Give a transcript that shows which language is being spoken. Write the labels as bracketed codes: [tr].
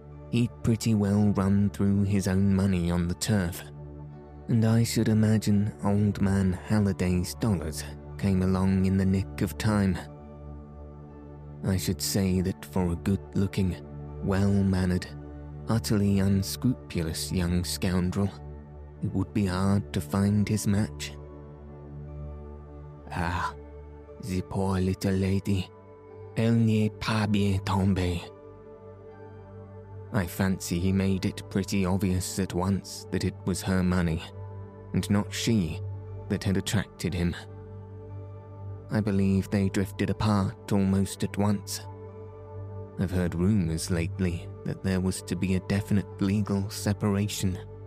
[en] He'd pretty well run through his own money on the turf, and I should imagine Old Man Halliday's dollars came along in the nick of time. I should say that for a good-looking, well-mannered, utterly unscrupulous young scoundrel, it would be hard to find his match. Ah, the poor little lady, [fr] elle n'est pas bien tombée. [en] I fancy he made it pretty obvious at once that it was her money, and not she, that had attracted him. I believe they drifted apart almost at once. I've heard rumors lately that there was to be a definite legal separation.